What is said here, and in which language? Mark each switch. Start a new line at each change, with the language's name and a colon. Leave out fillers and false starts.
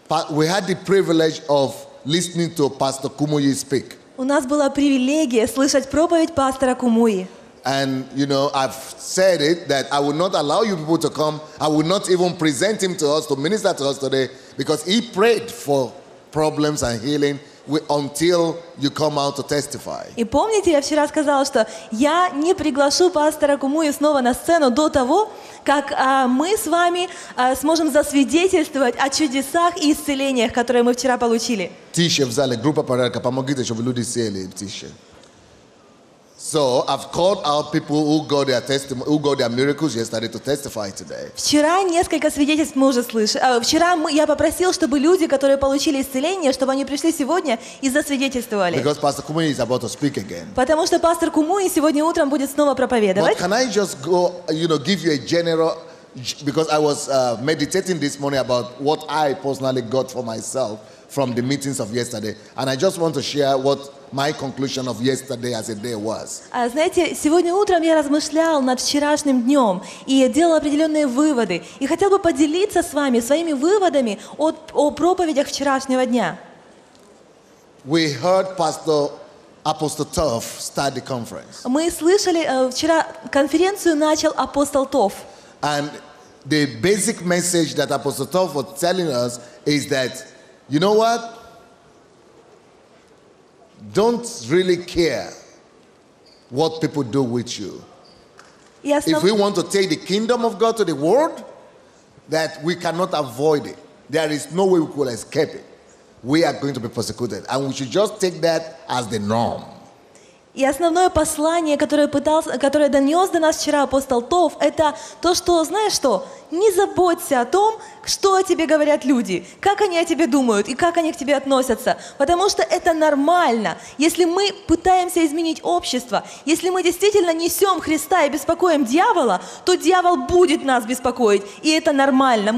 English: we had the privilege of listening to Pastor Kumuyi speak.
Russian: У нас была привилегия слышать проповедь пастора Кумуи.
English: And you know, I've said it that I will not allow you people to come. I will not even present him to us to minister to us today because he prayed for problems and healing. Until you come out to testify.
Russian: И помните, я вчера сказала, что я не приглашу пастора Кумуи снова на сцену до того, как мы с вами сможем засвидетельствовать о чудесах и исцелениях, которые мы вчера получили. Тише в зале, группа порядка, помогите, чтобы люди сели, тише.
English: So I've called out people who got their testimony, who got their miracles yesterday to testify today.
Russian: Вчера несколько свидетельств мы уже слышали. Вчера я попросил, чтобы люди, которые получили исцеление, чтобы они пришли сегодня и засвидетельствовали.
English: Because Pastor Kumuyi is about to speak again.
Russian: Потому что пастор Кумуи сегодня утром будет снова проповедовать.
English: But can I just go, you know, give you a general, because I was meditating this morning about what I personally got for myself from the meetings of yesterday, and I just want to share what. My conclusion of yesterday as a day was.
Russian: Знаете, сегодня утром я размышлял над вчерашним днем и делал определенные выводы. И хотел бы поделиться с вами своими выводами о проповедях вчерашнего дня.
English: We heard Pastor Apostle Toff start the conference.
Russian: Мы слышали вчера конференцию начал апостол Тофф.
English: And the basic message that Apostle Toff was telling us is that, you know what? Don't really care what people do with you. Yes, if we want to take the kingdom of God to the world, that we cannot avoid it. There is no way we could escape it. We are going to be persecuted. And we should just take that as the norm.
Russian: И основное послание, которое донес до нас вчера апостол Тофф, это то, что, знаешь что, не заботься о том, что о тебе говорят люди, как они о тебе думают и как они к тебе относятся, потому что это нормально. Если мы пытаемся изменить общество, если мы действительно несем Христа и беспокоим дьявола, то дьявол будет нас беспокоить, и это нормально.